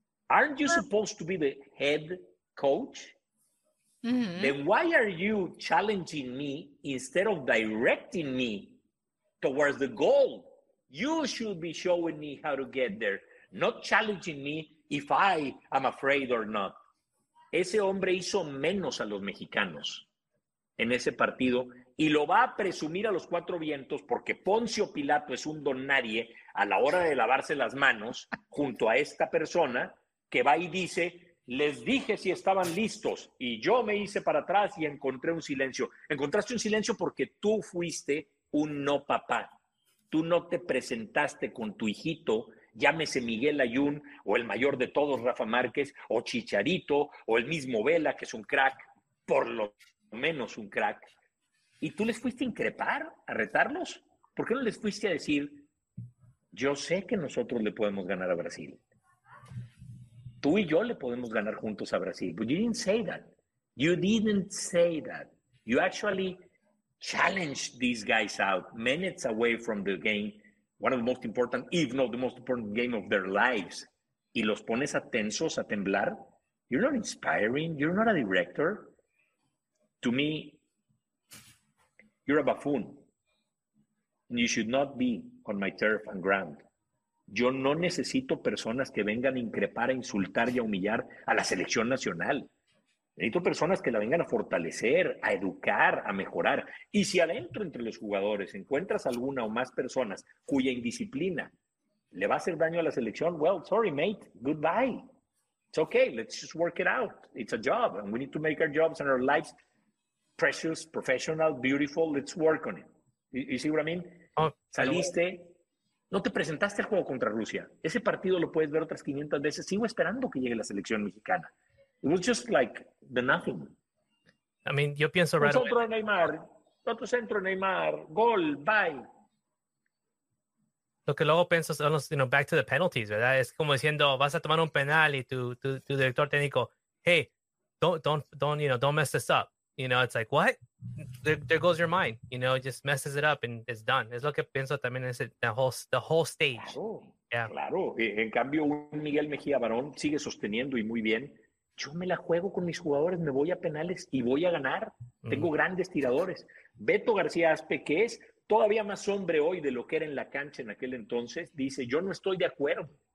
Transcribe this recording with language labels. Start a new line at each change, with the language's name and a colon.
English: Aren't you supposed to be the head coach? Mm-hmm. Then why are you challenging me instead of directing me towards the goal? You should be showing me how to get there, not challenging me if I am afraid or not.
Spanish: Ese hombre hizo menos a los mexicanos en ese partido y lo va a presumir a los cuatro vientos porque Poncio Pilato es un don nadie a la hora de lavarse las manos junto a esta persona que va y dice, les dije si estaban listos y yo me hice para atrás y encontré un silencio. Encontraste un silencio porque tú fuiste un no papá. Tú no te presentaste con tu hijito, llámese Miguel Ayun o el mayor de todos, Rafa Márquez, o Chicharito, o el mismo Vela, que es un crack, por lo menos un crack. ¿Y tú les fuiste a increpar, a retarlos? ¿Por qué no les fuiste a decir, yo sé que nosotros le podemos ganar a Brasil? Tú y yo le podemos ganar juntos a Brasil.
English: But you didn't say that. You didn't say that. You actually challenged these guys out minutes away from the game, one of the most important, if not the most important game of their lives.
Spanish: Y los pones a tensos, a temblar.
English: You're not inspiring. You're not a director. To me, you're a buffoon. And you should not be on my turf and ground.
Spanish: Yo no necesito personas que vengan a increpar, a insultar y a humillar a la selección nacional. Necesito personas que la vengan a fortalecer, a educar, a mejorar. Y si adentro entre los jugadores encuentras alguna o más personas cuya indisciplina le va a hacer daño a la selección,
English: well, sorry, mate, goodbye. It's okay, let's just work it out. It's a job and we need to make our jobs and our lives precious, professional, beautiful. Let's work on it. You see what I mean?
Spanish: Saliste... No te presentaste al juego contra Rusia. Ese partido lo puedes ver otras 500 veces. Sigo esperando que llegue la selección mexicana.
English: It was just like the nothing. I mean,
Spanish: yo pienso
English: right away.
Spanish: Centro de Neymar. Otro centro de Neymar. Gol. Bye. Lo que luego pienso son los,
English: you know, back to the penalties,
Spanish: ¿verdad? Es como diciendo, vas a tomar un penal y tu director técnico,
English: hey, don't mess this up. You know, it's like, what? There goes your mind, you know, just messes it up and it's done.
Spanish: Es lo que pienso también es
English: the whole stage.
Spanish: Claro,
English: yeah.
Spanish: Claro. En cambio, un Miguel Mejía Barón sigue sosteniendo y muy bien. Yo me la juego con mis jugadores, me voy a penales y voy a ganar. Mm-hmm. Tengo grandes tiradores. Beto García Aspe, que es todavía más hombre hoy de lo que era en la cancha en aquel entonces, dice, yo no estoy de acuerdo.